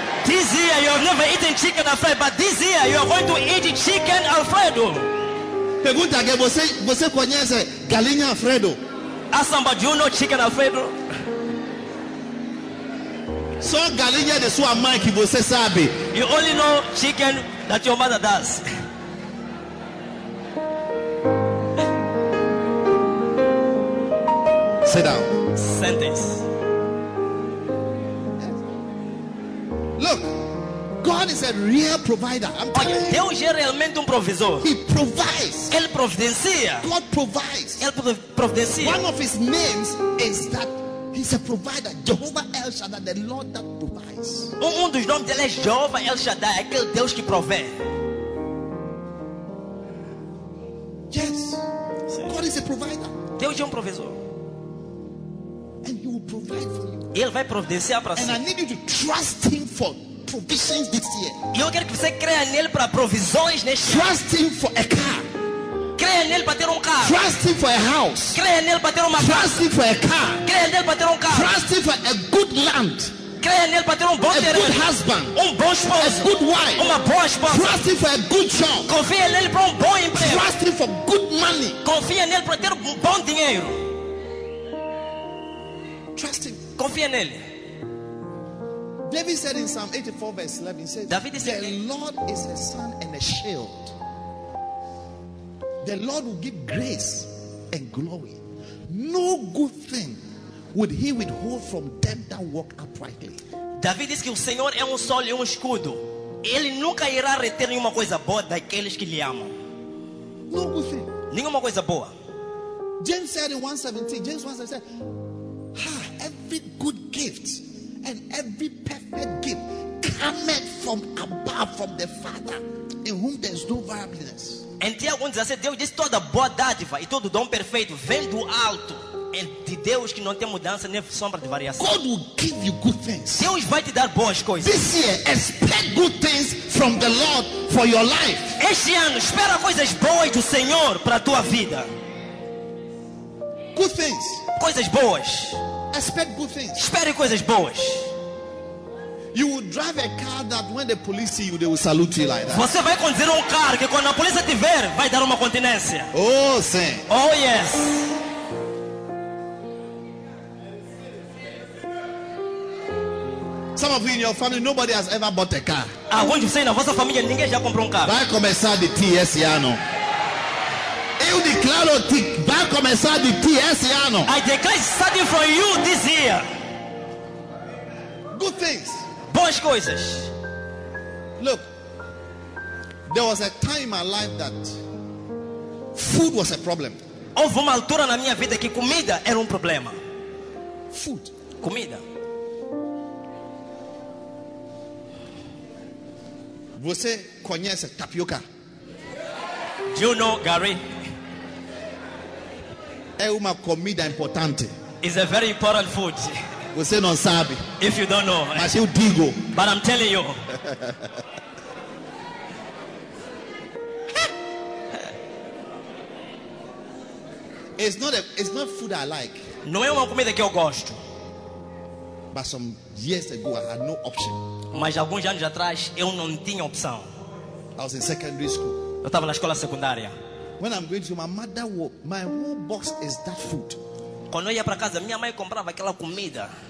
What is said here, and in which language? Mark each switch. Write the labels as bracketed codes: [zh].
[en] This year you have never eaten chicken Alfredo, but this year you are going to eat chicken Alfredo. [pt] Pergunta que você conhece galinha Alfredo? [en] Ask somebody, do you know chicken Alfredo? [pt] Só galinha de sua mãe que você sabe. [en] You only know chicken that your mother does. Sit down. Sentence. Look, God is a real provider. I'm telling you. [pt] Deus é realmente provisor. [en] He provides. [pt] Ele providencia. [en] God provides. [pt] Ele providencia. [en] One of his names is that he's a provider. Jehovah El Shaddai, the Lord that provides. [pt] Dos nomes dele é Jehovah El Shaddai, aquele Deus que provê. [en] Yes. [pt] Sim. [en] God is a provider. [pt] Deus é provisor. [en] And he will provide for you. [pt] Ele vai providenciar para você. [en] And I need you to trust him for provisions this year. [pt] Eu quero que você creia nele para provisões neste ano. [en] Trust him for a car. [pt] Creia nele para ter carro. [en] Trust him for a house. [pt] Creia nele para ter uma casa. [en] Trust him for a car. [pt] Creia nele para ter carro. [en] Trust him for a good land. [pt] Creia nele para ter bom terreno. [en] A good husband. [pt] Bom esposo. [en] A good wife. [pt] Uma boa esposa. [en] Trust him for a good job. [pt] Confia nele para bom emprego. [en] Trust him for good money. [pt] Confia nele para ter bom dinheiro. [en] Trust him. [pt] Confia nele. [en] David said in Psalm 84 verse 11, he said, the Lord is a sun and a shield. The Lord will give grace and glory. No good thing would he withhold from them that walk uprightly. [pt] David diz que o Senhor é sol e escudo. Ele nunca irá reter nenhuma coisa boa daqueles que lhe amam. [en] No good thing. [pt] Nenhuma coisa boa. [en] James said in 1:17, James 1:17, every good gift and every perfect gift cometh from above, from the Father, in whom there's no variableness. [pt] Em Tiago 1:17, Deus diz toda boa dádiva e todo dom perfeito vem do alto, é de Deus que não tem mudança nem sombra de variação. [en] God will give you good things. [pt] Deus vai te dar boas coisas. [en] This year, expect good things from the Lord for your life. [pt] Este ano, espera coisas boas do Senhor para tua vida. [en] Good things. [pt] Coisas boas. [en] Expect good things. [pt] Espere coisas boas. [en] You will drive a car that when the police see you, they will salute you like that. [pt] Você vai conduzir carro que quando a polícia te ver, vai dar uma continência. Oh, sim. [en] Oh, yes. Some of you in your family, nobody has ever bought a car. [pt] Alguns de vocês na vossa família, ninguém já comprou carro. Vai começar de TS ano. Eu declaro que vai começar de ti esse ano. [en] I declare starting for you this year. Good things. [pt] Boas coisas. [en] Look, there was a time in my life that food was a problem. [pt] Houve uma altura na minha vida que comida era problema. [en] Food. [pt] Comida. Você conhece tapioca? [en] Do you know, Gary? [pt] É uma comida importante. [en] It's a very important food. [pt] Você não sabe. [en] If you don't know. [pt] Mas eu digo. [en] But I'm telling you. It's not food I like. [pt] Não é uma comida que eu gosto. [en] But some years ago I had no option. [pt] Mas alguns anos atrás eu não tinha opção. [en] I was in secondary school. [pt] Eu estava na escola secundária. [en] When I'm going to my mother's work, my whole box is that food. [pt] Quando eu ia para casa, minha mãe comprava aquela comida.